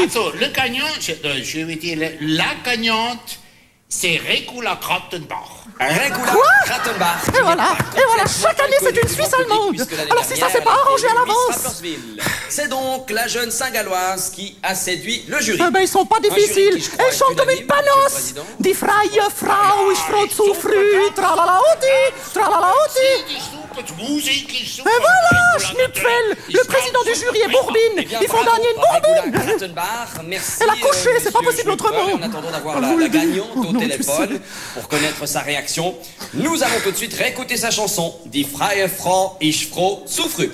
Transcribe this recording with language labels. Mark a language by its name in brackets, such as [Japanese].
[French] Attends, le gagnant, je vais dire, la gagnante, c'est Rekula Krattenbach. Régula Krattenbach. Et voilà, chaque année c'est une Suisse allemande. Alors si ça s'est pas arrangé à l'avance. C'est donc la jeune Saint-Galloise qui a séduit le jury. Ils sont pas difficiles. Elle chante comme une panosse. [German] Die freie Frau, ich freu zu früh. Tra-la-la-oti. [French] Et voilà, Schnupfel, le président du jury est bourbine. Ils font gagner une bourbine. Elle a couché, c'est pas possible autrement. En attendant d'avoir la gagnante au téléphone pour connaître sa réaction, nous allons tout de suite réécouter sa chanson. [German] Die freie Frau, ich freu zu früh.